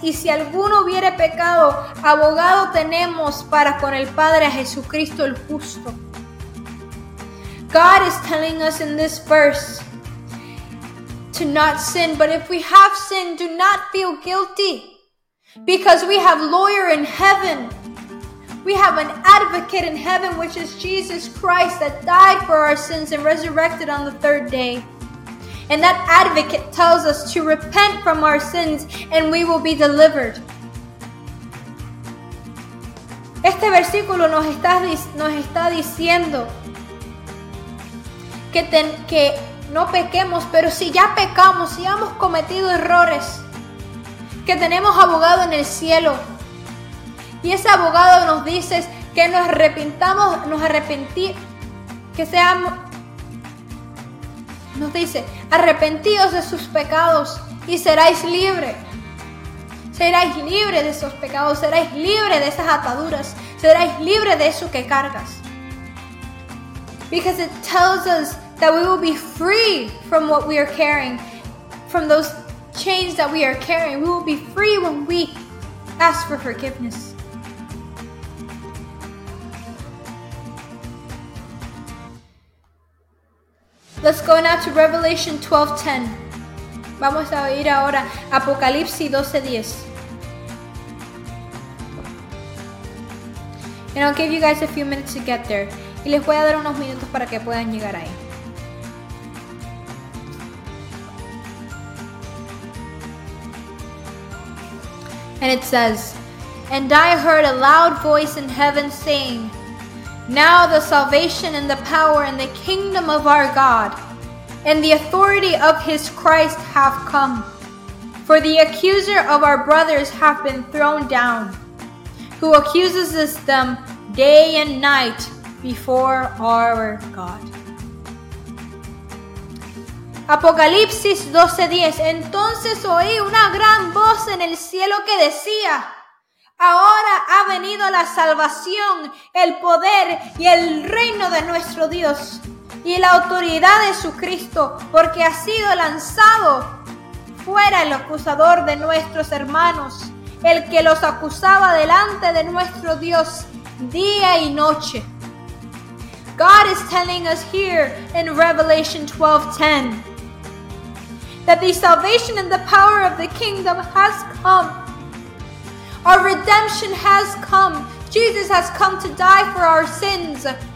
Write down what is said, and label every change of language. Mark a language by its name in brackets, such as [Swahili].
[Spanish] Y si alguno hubiere pecado, abogado tenemos para con el Padre a Jesucristo el justo. [English] God is telling us in this verse to not sin, but if we have sinned, do not feel guilty, because we have lawyer in heaven. We have an advocate in heaven, which is Jesus Christ, that died for our sins and resurrected on the third day. And that advocate tells us to repent from our sins and we will be delivered. [Spanish] Este versículo nos está diciendo que no pequemos, pero si ya pecamos, si hemos cometido errores, que tenemos abogado en el cielo. Y ese abogado nos dice que nos dice, arrepentidos de sus pecados y seráis libres. Seráis libres de esos pecados, seráis libres de esas ataduras, seráis libres de eso que cargas. [English] Because it tells us that we will be free from what we are carrying, from those chains that we are carrying. We will be free when we ask for forgiveness. Let's go now to Revelation 12:10. [Spanish] Vamos a ir ahora a Apocalipsis 12:10. [English] And I'll give you guys a few minutes to get there. [Spanish] Y les voy a dar unos minutos para que puedan llegar ahí. [English] And it says, and I heard a loud voice in heaven saying, Now the salvation and the power and the kingdom of our God and the authority of his Christ have come. For the accuser of our brothers hath been thrown down, who accuses them day and night before our God. [Spanish] Apocalipsis 12:10. Entonces oí una gran voz en el cielo que decía: Ahora ha venido la salvación, el poder y el reino de nuestro Dios y la autoridad de su Cristo, porque ha sido lanzado fuera el acusador de nuestros hermanos, el que los acusaba delante de nuestro Dios día y noche. [English] God is telling us here in Revelation 12:10 that the salvation and the power of the kingdom has come. Our redemption has come. Jesus has come to die for our sins.